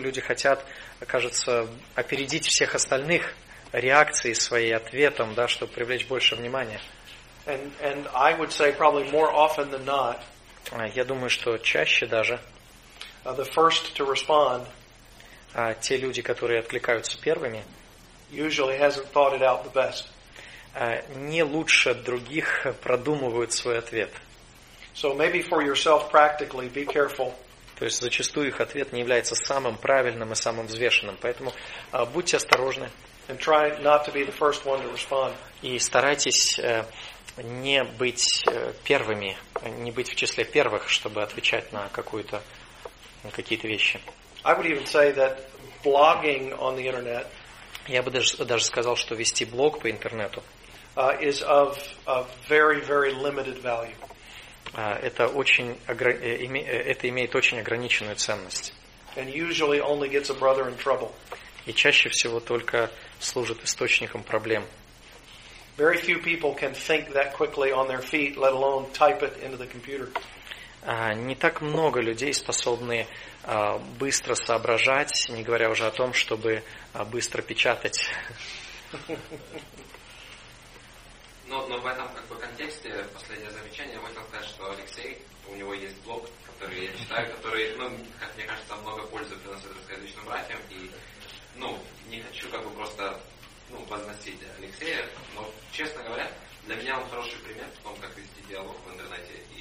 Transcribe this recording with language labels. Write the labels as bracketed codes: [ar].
[ru] Люди хотят, кажется, опередить всех остальных реакцией своей, ответом, да, чтобы привлечь больше внимания. [en] And I would say probably more often than not. [ru] Я думаю, что чаще даже. [en] The first to respond. [ru] Те люди, которые откликаются первыми. [en] Usually hasn't thought it out the best. [ru] Не лучше других продумывают свой ответ. [en] So maybe for yourself practically, be careful. [ru] То есть зачастую их ответ не является самым правильным и самым взвешенным, поэтому будьте осторожны. [en] And try not to be the first one to respond. [ru] И старайтесь не быть первыми, не быть в числе первых, чтобы отвечать на какие-то вещи. [en] I would even say that blogging on the internet, [ru] я бы даже сказал, что вести блог по интернету [en] is of a very, very limited value. [ru] Это имеет очень ограниченную ценность. [en] And usually only gets a brother in trouble. [ru] И чаще всего только служит источником проблем. [en] Very few people can think that quickly on their feet, let alone type it into the computer. [ru] Не так много людей способны быстро соображать, не говоря уже о том, чтобы быстро печатать. Но в этом контексте последнее замечание, я хотел сказать, что Алексей, у него есть блог, который я читаю, который, как мне кажется, много пользы приносит русскоязычным братьям, и не хочу просто возносить Алексея, но честно говоря, для меня он хороший пример в том, как вести диалог в интернете.